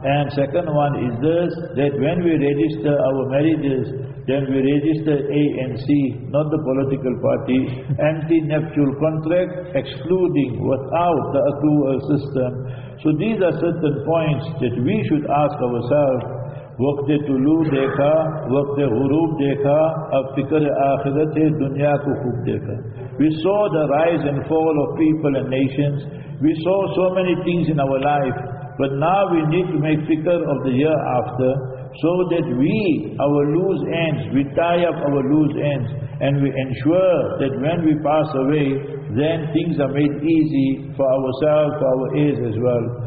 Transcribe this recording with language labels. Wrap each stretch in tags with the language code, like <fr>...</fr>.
<en>And second one is this, that when we register our marriages, then we register ANC, not the political party, anti-nuptial contract, excluding without the accrual system. So these are certain points that we should ask ourselves.</en> <ur>وقتِ طلوع دیکھا وقتِ غروب دیکھا اب فکر آخرتِ دنیا کو خوب دیکھا.</ur> <en>We saw the rise and fall of people and nations. We saw so many things in our life. But now we need to make fikr of the year after, so that we, our loose ends, we tie up our loose ends, and we ensure that when we pass away, then things are made easy for ourselves, for our heirs as well.</en>